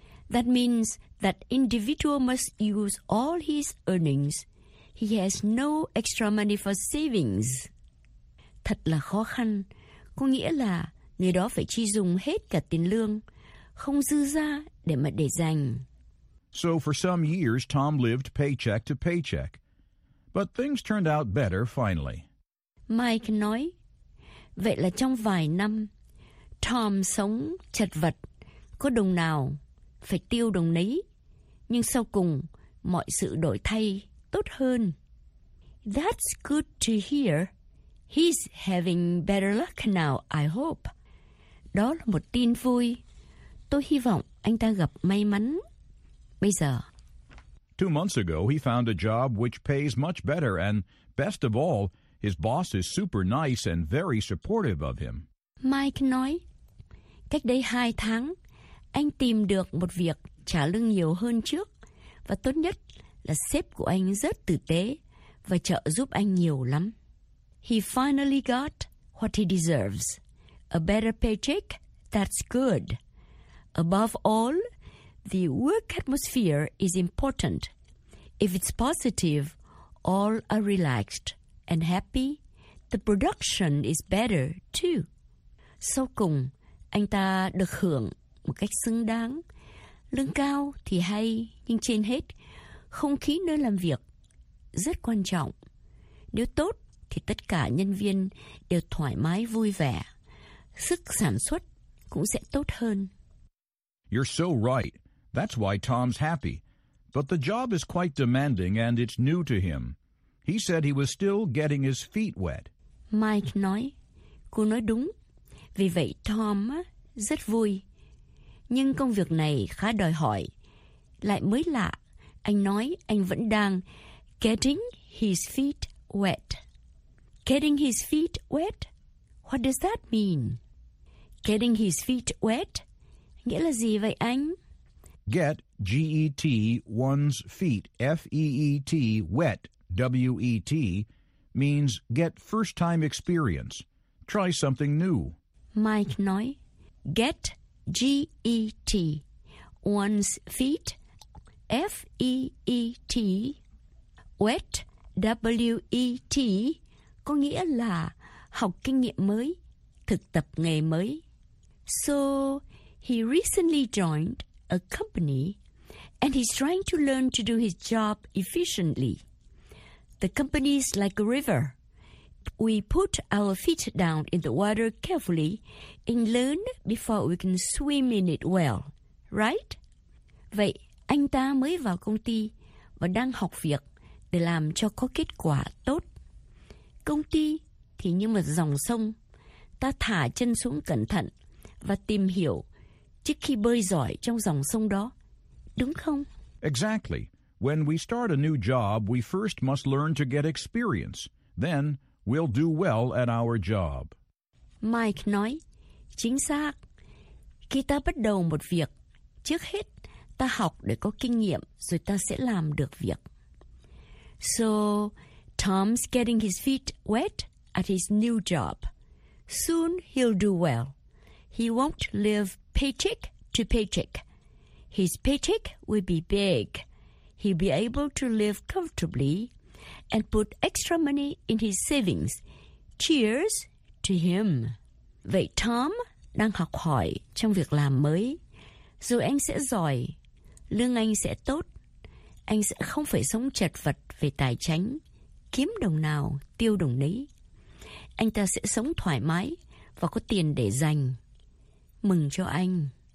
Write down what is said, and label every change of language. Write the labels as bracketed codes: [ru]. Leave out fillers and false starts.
[en] That means that individual must use all his earnings. He has no extra money for savings. [vi] Thật là khó khăn. Có nghĩa là người đó phải chi dùng hết cả tiền lương, không dư ra để mà để dành. [en] So for some years, Tom lived paycheck to paycheck. But things turned out better finally. [vi] Mike nói, vậy là trong vài năm, Tom sống chật vật, có đồng nào phải tiêu đồng nấy. Nhưng sau cùng, mọi sự đổi thay tốt hơn. [en] That's good to hear. He's having better luck now, I hope. [vi] Đó là một tin vui. Tôi hy vọng anh ta gặp may mắn bây giờ. [en] 2 months ago, he found a job which pays much better, and best of all, his boss is super nice and very supportive of him. [vi] Mike nói, cách đây 2 tháng, anh tìm được một việc trả lương nhiều hơn trước, và tốt nhất là sếp của anh rất tử tế và trợ giúp anh nhiều lắm. [en] He finally got what he deserves. A better paycheck, that's good. Above all, the work atmosphere is important. If it's positive, all are relaxed and happy. The production is better, too. [vi] Sau cùng, anh ta được hưởng một cách xứng đáng. Lương cao thì hay, nhưng trên hết, không khí nơi làm việc rất quan trọng. Nếu tốt, thì tất cả nhân viên đều thoải mái vui vẻ. Sức sản xuất cũng sẽ tốt hơn. [en] You're so right. That's why Tom's happy. But the job is quite demanding and it's new to him. He said he was still getting his feet wet. [vi] Mike nói, cô nói đúng. Vì vậy Tom rất vui. Nhưng công việc này khá đòi hỏi. Lại mới lạ, anh nói anh vẫn đang [en] getting his feet wet. Getting his feet wet? What does that mean? Getting his feet wet? [vi] Nghĩa là gì vậy anh? [en] Get, G-E-T, one's feet, F-E-E-T, wet, W-E-T, means get first-time experience. Try something new. [vi] Mike nói, [en] get, G-E-T, one's feet, F-E-E-T, wet, W-E-T, [vi] có nghĩa là học kinh nghiệm mới, thực tập nghề mới. [en] So, he recently joined a company, and he's trying to learn to do his job efficiently. The company's like a river. We put our feet down in the water carefully and learn before we can swim in it well, right? [vi] Vậy, anh ta mới vào công ty và đang học việc để làm cho có kết quả tốt. Công ty thì như một dòng sông. Ta thả chân xuống cẩn thận và tìm hiểu trước khi bơi giỏi trong dòng sông đó, đúng không? [en] Exactly. When we start a new job, we first must learn to get experience. Then, we'll do well at our job. [vi] Mike nói, chính xác. Khi ta bắt đầu một việc, trước hết, ta học để có kinh nghiệm, rồi ta sẽ làm được việc. [en] So, Tom's getting his feet wet at his new job. Soon, he'll do well. He won't live paycheck to paycheck. His paycheck will be big. He'll be able to live comfortably and put extra money in his savings. Cheers to him. [vi] Vậy Tom đang học hỏi trong việc làm mới. Dù anh sẽ giỏi, lương anh sẽ tốt. Anh sẽ không phải sống chật vật về tài chính, kiếm đồng nào, tiêu đồng nấy. Anh ta sẽ sống thoải mái và có tiền để dành. Mừng cho anh.